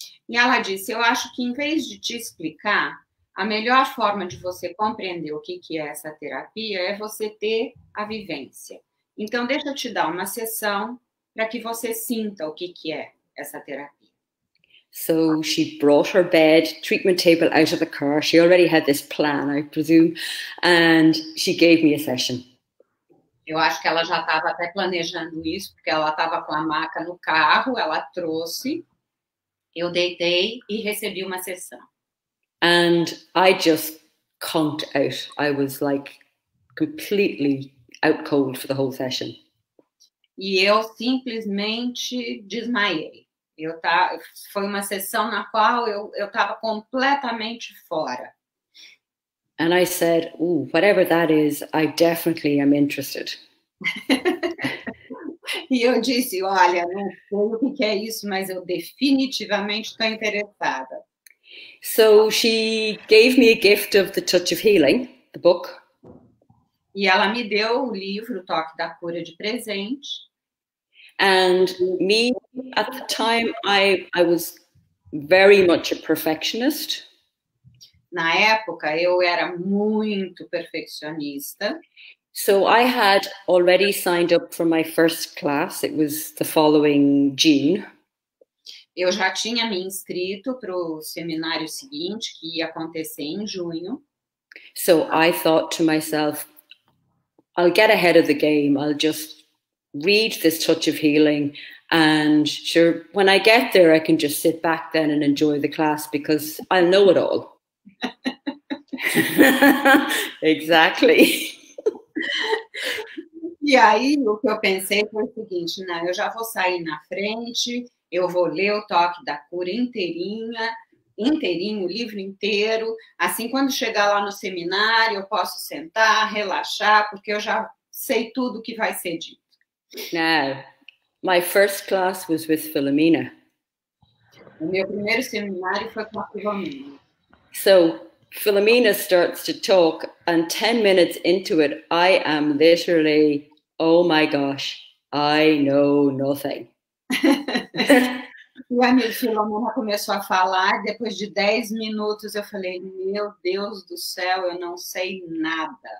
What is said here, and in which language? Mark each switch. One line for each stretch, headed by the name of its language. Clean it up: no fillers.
Portuguese: E ela disse, eu acho que em vez de te explicar, a melhor forma de você compreender o que é essa terapia é você ter a vivência. Então, deixa eu te dar uma sessão para que você sinta o que é essa terapia.
English: So she brought her bed treatment table out of the car. She already had this plan, I presume, and she gave me a session.
Portuguese: Eu acho que ela já estava até planejando isso, porque ela estava com a maca no carro, ela trouxe, eu deitei e recebi uma sessão.
English: And I just conked out. I was like completely out cold for the whole session.
Portuguese: E eu simplesmente desmaiei. Foi uma sessão na qual eu estava completamente fora.
English: And I said, ooh, whatever that is, I definitely am interested.
Portuguese: E eu disse, olha, não sei o que é isso, mas eu definitivamente estou interessada.
English: So she gave me a gift of The Touch of Healing, the book.
Portuguese: E ela me deu o livro, Toque da Cura, de presente.
English: And me, at the time, I was very much a perfectionist.
Portuguese: Na época, eu era muito perfeccionista.
English: So I had already signed up for my first class. It was the following June.
Portuguese: Eu já tinha me inscrito para o seminário seguinte, que ia acontecer em junho.
English: So I thought to myself, I'll get ahead of the game, I'll just read this Touch of Healing, and sure, when I get there, I can just sit back then and enjoy the class because I'll know it all. Exactly.
Portuguese: E aí, o que eu pensei foi o seguinte, né? Eu já vou sair na frente, eu vou ler o Toque da Cura inteirinho, o livro inteiro. Assim, quando chegar lá no seminário, eu posso sentar, relaxar, porque eu já sei tudo que vai ser dito.
English: Now, my first class was with Filomena.
Portuguese: O meu primeiro seminário foi com a Filomena.
English: So, Filomena starts to talk, and 10 minutes into it, I am literally, oh my gosh, I know nothing.
Portuguese: E a minha Filomena começou a falar, depois de 10 minutos, eu falei, meu Deus do céu, eu não sei nada.